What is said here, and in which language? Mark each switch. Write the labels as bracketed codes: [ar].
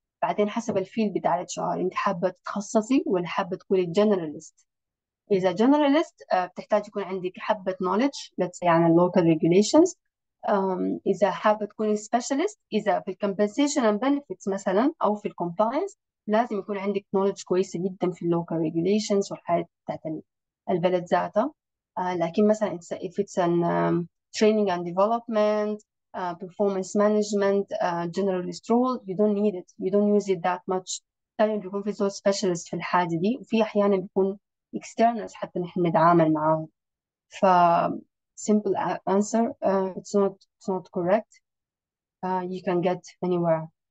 [ar] بعدين حسب الفيل بتاع الاتش ار، انت حابة تتخصصي ولا حابة تكوني generalist؟ إذا generalist بتحتاج يكون عندك حبة knowledge let's say عن local regulations. إذا حابة تكوني specialist، إذا في compensation and benefits مثلا أو في compliance لازم يكون عندك knowledge كويسة جدا في local regulations والحاجات بتاعت البلد ذاتها. [en] لكن مثلا if it's an training and development performance management generalist role you don't need it, you don't use it that much. [ar] تاني بيكون في زول specialist في الحاجة دي، وفي أحيانا بيكون externals حتى نحن نتعامل معاهم. [en] ف simple answer it's not correct. You can get anywhere.